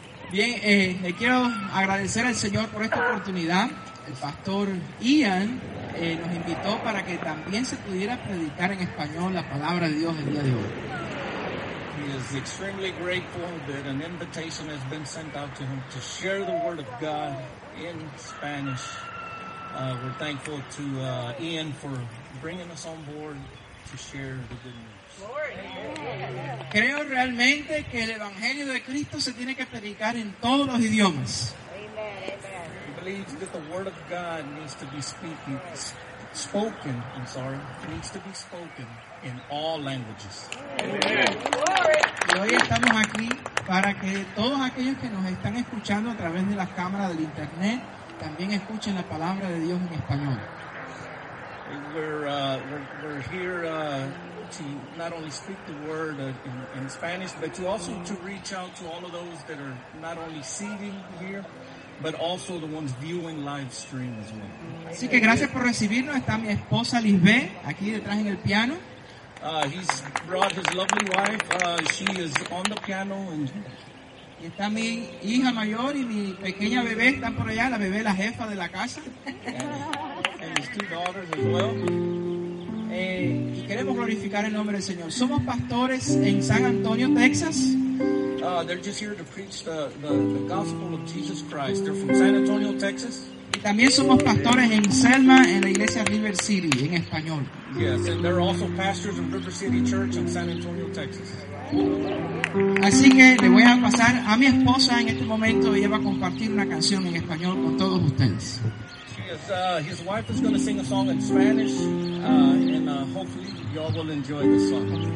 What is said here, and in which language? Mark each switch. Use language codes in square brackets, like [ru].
[es] Bien, quiero agradecer al Señor por esta oportunidad. El Pastor Ian nos invitó para que también se pudiera predicar en español la palabra de Dios el día de hoy. [en] Is extremely grateful that an invitation has been sent out to him to share the word of God in Spanish. We're thankful to Ian for bringing us on board to share the good news. [es] Creo realmente que el evangelio de Cristo se tiene que predicar en todos los idiomas. [en] He believes that the word of God needs to be speaking, spoken, I'm sorry, needs to be spoken in all languages. Amen. [es] Glory. Y hoy estamos aquí para que todos aquellos que nos están escuchando a través de las cámaras del internet también escuchen la palabra de Dios en español. [en] We're here to not only speak the word in Spanish, but to also to reach out to all of those that are not only seated here, but also the ones viewing live stream as well. [es] Así que gracias por recibirnos. Está mi esposa Lisbeth aquí detrás en el piano. [en] He's brought his lovely wife. She is on the piano. And [es] y está mi hija mayor y mi pequeña bebé están por allá. La bebé, la jefa de la casa. [en] And his two daughters as well. [es] Y queremos glorificar el nombre del Señor. Somos pastores en San Antonio, Texas. [en] They're just here to preach the gospel of Jesus Christ. They're from San Antonio, Texas. [es] Y también somos pastores en Selma, en la iglesia River City, en español. [en] Yes, and they're also pastors of River City Church in San Antonio, Texas. [es] Así que le voy a pasar a mi esposa en este momento. Ella va a compartir una canción en español con todos ustedes. [en] His wife is going to sing a song in Spanish, and hopefully y'all will enjoy this song.